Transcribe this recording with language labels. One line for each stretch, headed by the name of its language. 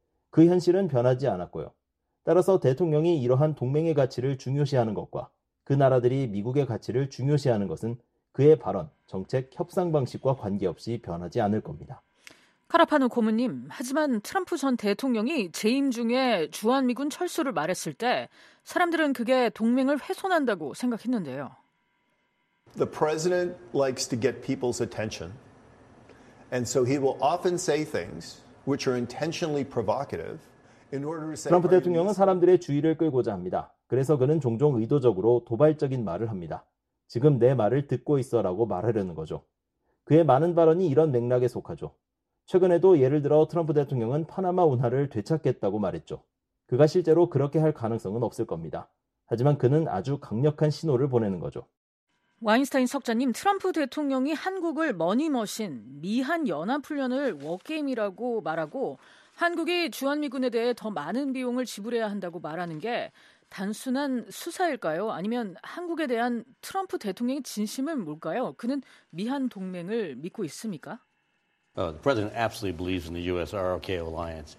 Korean: 그 현실은 변하지 않았고요. 따라서 대통령이 이러한 동맹의 가치를 중요시하는 것과 그 나라들이 미국의 가치를 중요시하는 것은 그의 발언, 정책, 협상 방식과 관계없이 변하지 않을 겁니다. 카라파노 고문님, 하지만 트럼프 전 대통령이 재임 중에 주한미군 철수를 말했을 때 사람들은 그게 동맹을 훼손한다고 생각했는데요.
English: The president likes to get people's attention. And so he will often say things which are intentionally provocative in order to say
Korean: 트럼프 대통령은 사람들의 주의를 끌고자 합니다. 그래서 그는 종종 의도적으로 도발적인 말을 합니다. 지금 내 말을 듣고 있어라고 말하려는 거죠. 그의 많은 발언이 이런 맥락에 속하죠. 최근에도 예를 들어 트럼프 대통령은 파나마 운하를 되찾겠다고 말했죠. 그가 실제로 그렇게 할 가능성은 없을 겁니다. 하지만 그는 아주 강력한 신호를 보내는 거죠. 와인스타인 석자님, 트럼프 대통령이 한국을 머니머신, 미한 연합훈련을 워게임이라고 말하고 한국이 주한미군에 대해 더 많은 비용을 지불해야 한다고 말하는 게 단순한 수사일까요? 아니면 한국에 대한 트럼프 대통령의 진심은 뭘까요? 그는 미한 동맹을 믿고 있습니까?
English: The president absolutely believes in the US-ROK alliance.